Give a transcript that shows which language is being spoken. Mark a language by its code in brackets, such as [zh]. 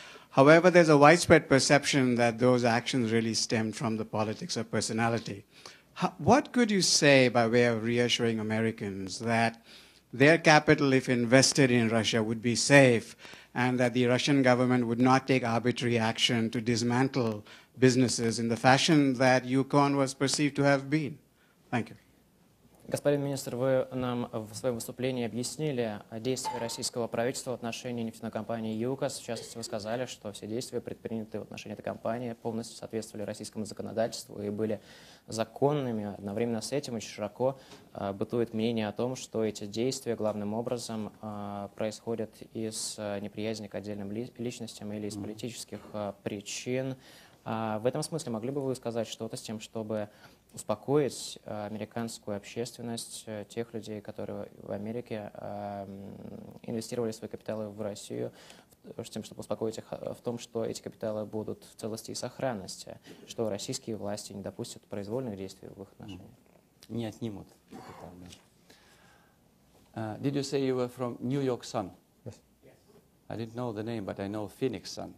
[en] However, there's a widespread perception that those actions really stemmed from the politics of personality. What could you say by way of reassuring Americans that their capital, if invested in Russia, would be safe, and that the Russian government would not take arbitrary action to dismantle businesses in the fashion that Yukon was perceived to have been. Thank you. [ru] Господин министр, вы нам в своем выступлении объяснили действия российского правительства в отношении нефтяной компании ЮКОС. В частности, вы сказали, что все действия, предпринятые в отношении этой компании, полностью соответствовали российскому законодательству и были законными. Одновременно с этим очень широко бытует мнение о том, что эти действия главным образом происходят из неприязни к отдельным личностям или из политических причин. В этом смысле могли бы вы сказать что-то с тем, чтобы успокоить американскую общественность, тех людей, которые в Америке инвестировали свои капиталы в Россию, чтобы успокоить их в том, что эти капиталы будут в целости и сохранности, что российские власти не допустят произвольных действий в их отношении. Не отнимут капитал. [en] Did you say you were from New York Sun? Yes. I didn't know the name, but I know Phoenix Sun.